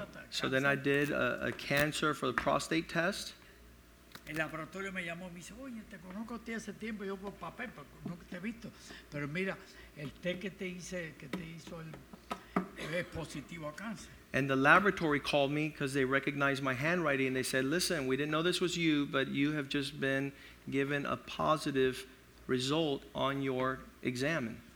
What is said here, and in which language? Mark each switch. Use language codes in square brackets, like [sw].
[en] So then I did a cancer for the prostate test. [es] El laboratorio me llamó y me dice, oye, te conozco a ti hace tiempo, yo por papel, porque nunca te he visto. Pero mira, el test que te hizo es positivo a cáncer. [en] And the laboratory called me because they recognized my handwriting and they said, listen, we didn't know this was you, but you have just been given a positive result on your exam.